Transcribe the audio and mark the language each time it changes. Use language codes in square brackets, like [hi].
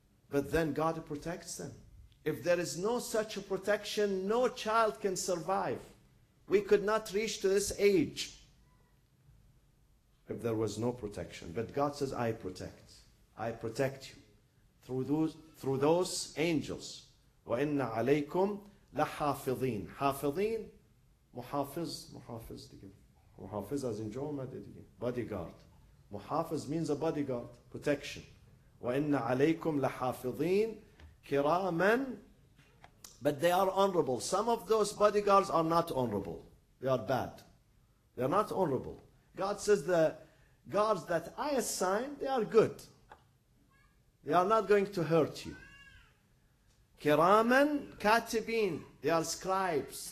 [en] But then God protects them. If there is no such a protection, no child can survive. We could not reach to this age if there was no protection. But God says, I protect. I protect you through those angels. [ar] وَإِنَّ عَلَيْكُمْ لَحَافِظِينَ حَافِظِينَ مُحَافِظ مُحَافِظ [fa] دیگه محافظ از اینجا اومده دیگه [ar] bodyguard محافظ [en] means a bodyguard protection [ar] وَإِنَّ عَلَيْكُمْ لَحَافِظِينَ كِرَامًا [en] but they are honorable. Some of those bodyguards are not honorable. They are bad. They are not honorable. God says the guards that I assign, they are good. They are not going to hurt you. Kiraman, katibin, they are scribes.